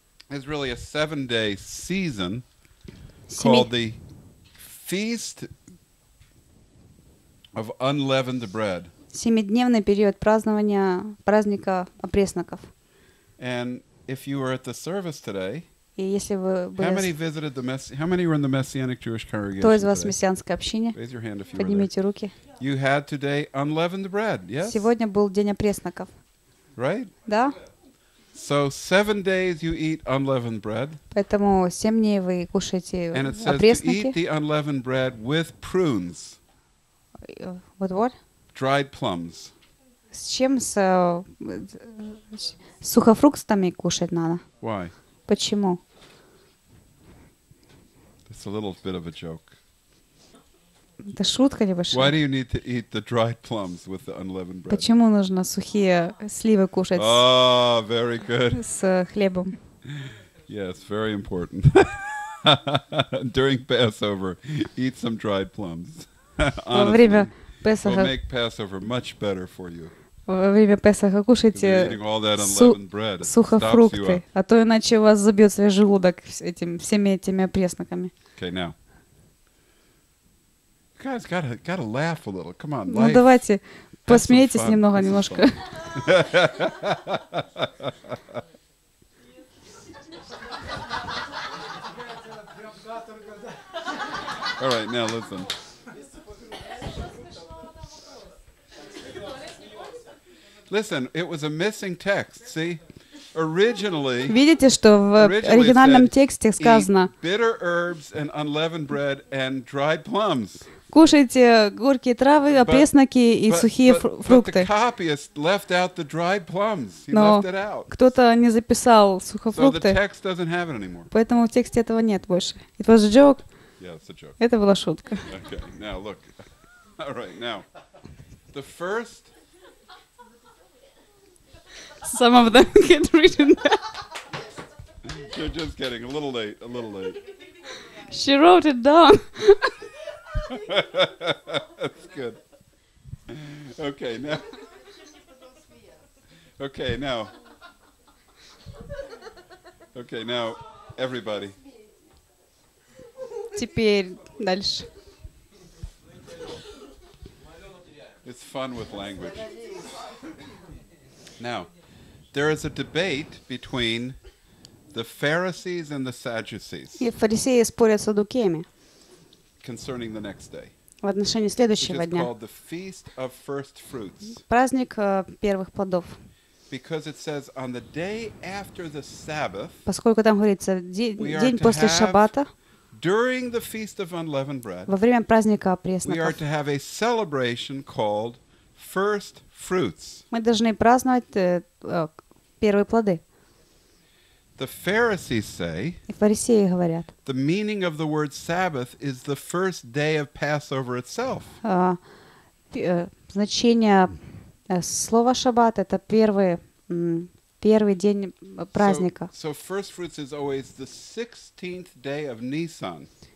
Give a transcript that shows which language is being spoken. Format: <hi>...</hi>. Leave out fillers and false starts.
<en>is really a seven-day season called the Feast of unleavened bread.</en> <ru>Семидневный период празднования праздника опресноков.</ru> <en>And if you were at the service today,</en> <ru>и если вы были,</ru> <en>how many were in the Messianic Jewish congregation?</en> <ru>Кто из вас в мессианской общине?</ru> <en>Raise your hand if you were there.</en> <ru>Поднимите руки.</ru> <en>You had today unleavened bread, yes?</en> <ru>Сегодня был день опресноков.</ru> <en>Right?</en> <ru>Да.</ru> <en>So 7 days you eat unleavened bread.</en> <ru>Поэтому 7 дней вы кушаете опресники.</ru> <en>And it says to eat the unleavened bread with prunes. What? Dried plums.</en> <ru>С чем с сухофруктами кушать надо?</ru> <en>Why?</en> <ru>Почему?</ru> <en>It's a little bit of a joke.</en> <ru>Это шутка небольшая.</ru> <en>Why do you need to eat the dried plums with the unleavened bread?</en> <ru>Почему нужно сухие сливы кушать?</ru> <en>Very good.</en> <ru>С хлебом.</ru> <en>Yes, very important. During Passover, eat some dried plums.</en> <ru>Во время Песаха</ru> <en>will make Passover much better for you.</en> <ru>во время Песаха кушаете сухофрукты, а то иначе у вас забьет свой желудок всеми этими пресноками.</ru> <en>Okay, now. You guys gotta laugh a little. Come on,</en> <ru>ну давайте посмеетесь немного, немножко.</ru> <en>All right, now listen. Listen, it was a missing text, see? Originally,</en> <ru>видите, что в оригинальном тексте сказано:</ru> <en>bitter herbs and unleavened bread and dried plums.</en> <ru>Кушайте горькие травы, опресноки и сухие фрукты.</ru> <en>But the copyist left out the dried plums. He left it out.</en> <ru>Кто-то не записал сухофрукты.</ru> <en>So the text doesn't have it anymore.</en> <ru>Поэтому в тексте этого нет больше.</ru> <en>It was a joke. Yeah, it's a joke.</en> <ru>Это была шутка.</ru> <en>Okay, now look. All right, now. The first... Some of them get written down. You're just getting a little late. She wrote it down. That's good. Okay, now. Okay, now. Okay, now, everybody.</en> <ru>Теперь дальше.</ru> <en>It's fun with language. Now, there is a debate between the Pharisees and the Sadducees.</en> <ru>И фарисеи спорят с саддукеями.</ru> <en>Concerning the next day.</en> <ru>В отношении следующего дня.</ru> <en>It's called the Feast of First Fruits.</en> <ru>Праздник первых плодов.</ru> <en>Because it says on the day after the Sabbath.</en> <ru>Поскольку там говорится день после Шаббата.</ru> <en>During the Feast of Unleavened Bread,</en> <ru>во время праздника пресноков,</ru> <en>we are to have a celebration called First Fruits.</en> <ru>Мы должны праздновать первые плоды.</ru> <en>The Pharisees say,</en> <ru>и фарисеи говорят,</ru> <en>the meaning of the word Sabbath is the first day of Passover itself.</en> <ru>Значение слова Шаббат — это первый день праздника.</ru> <en>So first fruits is always the 16th day of Nisan.</en>